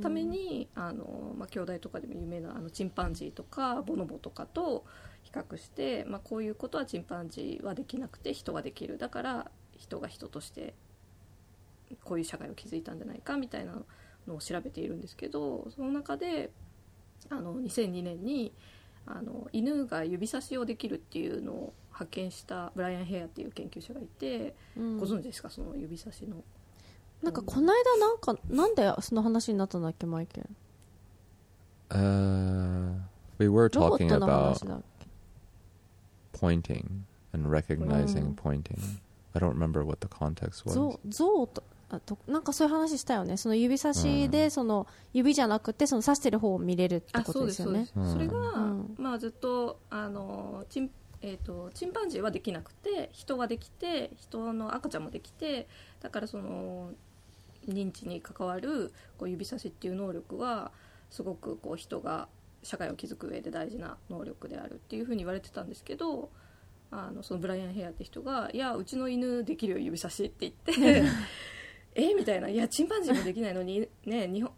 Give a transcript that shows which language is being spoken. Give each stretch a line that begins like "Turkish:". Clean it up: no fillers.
Japanese: ために兄弟とかでも有名なチンパンジーとかボノボとかと比較して、まあ、こういうことはチンパンジーはできなくて人はできる、だから人が人としてこういう社会を築いたんじゃないかみたいなのを調べているんですけど、その中で2002年に犬が指差しをできるっていうのを発見したブライアン・ヘアっていう研究者がいて、うん、ご存知ですかその指差しの。なんかこの間なんかなんでその話になったんだっけマイケル。
English: We were talking about pointing and recognizing pointing. I don't remember what the context was.
Japanese: なんかそういう話したよね。その指差しでその指じゃなくてその指してる方を見れるってことですよね。それが、まあ、ずっとチンパンジーはできなくて人はできて人の赤ちゃんもできて、だからその認知に関わるこう指差しっていう能力はすごくこう人が社会を築く上で大事な能力であるっていうふうに言われてたんですけど、そのブライアン・ヘアって人がいやうちの犬できるよ指差しって言ってみたいな、いやチンパンジーもできないのに、ね、